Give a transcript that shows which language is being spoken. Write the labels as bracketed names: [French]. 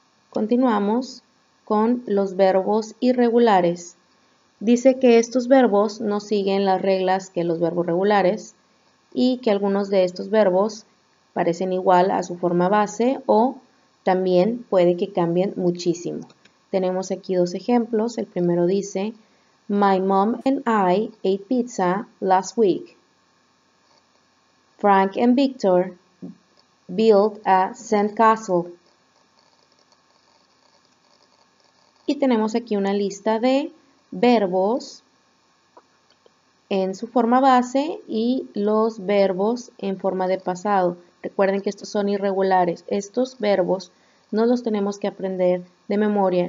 [Spanish] Continuamos con los verbos irregulares. Dice que estos verbos no siguen las reglas que los verbos regulares y que algunos de estos verbos parecen igual a su forma base o también puede que cambien muchísimo. Tenemos aquí dos ejemplos. El primero dice, [English] My mom and I ate pizza last week. Frank and Victor built a sandcastle. [Spanish] Y tenemos aquí una lista de verbos en su forma base y los verbos en forma de pasado. Recuerden que estos son irregulares. Estos verbos no los tenemos que aprender de memoria.